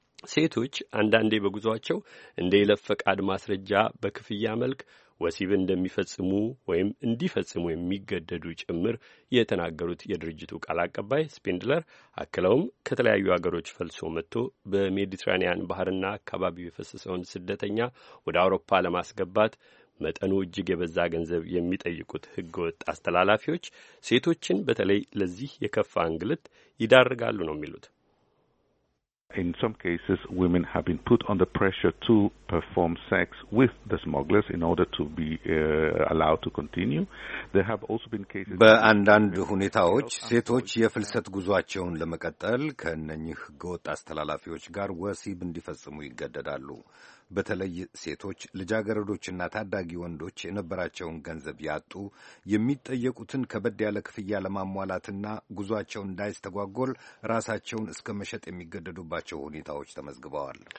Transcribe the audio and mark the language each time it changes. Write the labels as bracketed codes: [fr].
[am] ሴቶች አንዳንዴ በጉዟቸው እንደ ይለፍ ፈቃድ ማስረጃ በክፍያ መልክ ወሲብ እንደሚፈጽሙ ወይም እንዲፈጽሙ የሚገደዱ ጭምር የተናገሩት የድርጅቱ ቃል አቀባይ ስፒንድለር አክለውም ከተለያዩ አገሮች ፈልሶ መጥቶ በሜዲትራኒያን ባህርና አካባቢው የፈሰሰውን ስደተኛ ወደ አውሮፓ ለማስገባት መጠኑ እጅግ የበዛ ገንዘብ የሚጠይቁት ሕገ ወጥ አስተላላፊዎች ሴቶችን በተለይ ለዚህ የከፋ እንግልት ይዳርጋሉ ነው የሚሉት። [en] In some cases, women have been put under pressure to perform sex with the smugglers in order to be allowed to continue. There have also been cases... [am] በአንዳንድ ሁኔታዎች ሴቶች የፍልሰት ጉዟቸውን ለመቀጠል ከእነኚህ ሕገወጥ አስተላላፊዎች ጋር ወሲብ እንዲፈጽሙ ይገደዳሉ። በተለይ ሴቶች፣ ልጃገረዶችና ታዳጊ ወንዶች የነበራቸውን ገንዘብ ያጡ የሚጠየቁትን ከበድ ያለ ክፍያ ለማሟላትና ጉዟቸውን እንዳይስተጓጎል ራሳቸውን እስከ መሸጥ የሚገደዱባቸው ሁኔታዎች ተመዝግበዋል።